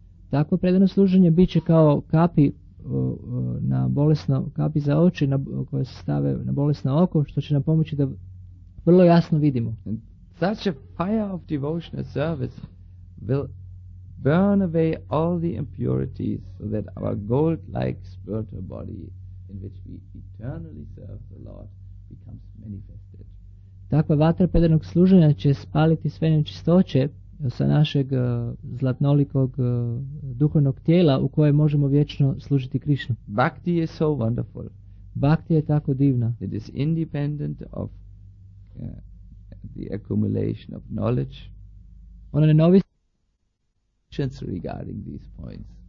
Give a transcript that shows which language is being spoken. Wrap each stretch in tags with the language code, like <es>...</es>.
<hr>Takvo predano služenje bit će kao kapi na bolesno, kapi za oči na, koje se stave na bolesno oko, što će nam pomoći da vrlo jasno vidimo.</hr> <en>And such a fire of devotional service will burn away all the impurities so that our gold-like spiritual body in which we eternally serve the Lord becomes manifested.</en> <hr>Takva vatra predanog služenja će spaliti sve nečistoće sa našeg zlatnolikog duhovnog tijela u kojem možemo vječno služiti Krišnu.</hr> <en>Bhakti is so wonderful.</en> <hr>Bhakti je tako divna.</hr> <en>It is independent of the accumulation of knowledge.</en> <hr>Ona ne novi</hr> <en>regarding these points.</en>